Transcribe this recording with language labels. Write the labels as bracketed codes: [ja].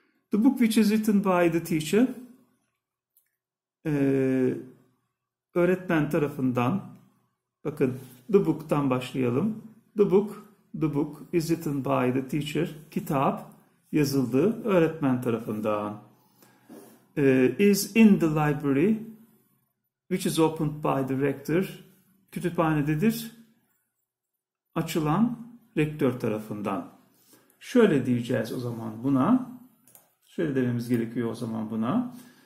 [en] The book which is written by the teacher [tr] öğretmen tarafından, bakın [en] the book'tan başlayalım. The book is written by the teacher. [tr] Kitap yazıldı öğretmen tarafından. [en] Is in the library which is opened by the rector. [tr] Kütüphanededir. Açılan rektör tarafından. Şöyle diyeceğiz o zaman buna. Şöyle dememiz gerekiyor o zaman buna.